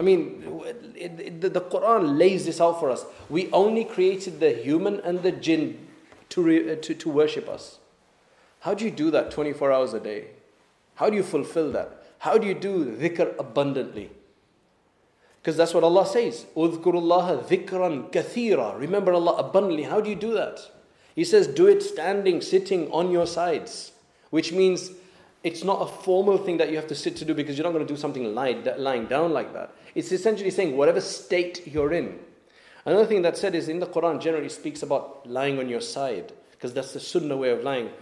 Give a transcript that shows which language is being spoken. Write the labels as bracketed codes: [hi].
[en] I mean, the Quran lays this out for us. We only created the human and the jinn to worship us. How do you do that 24 hours a day? How do you fulfill that? How do you do dhikr abundantly? Because that's what Allah says. [ar] اُذْكُرُ اللَّهَ ذِكْرًا كَثِيرًا [en] Remember Allah abundantly. How do you do that? He says, do it standing, sitting on your sides. Which means it's not a formal thing that you have to sit to do, because you're not going to do something lying down like that. It's essentially saying whatever state you're in. Another thing that's said is in the Quran generally speaks about lying on your side, because that's the sunnah way of lying.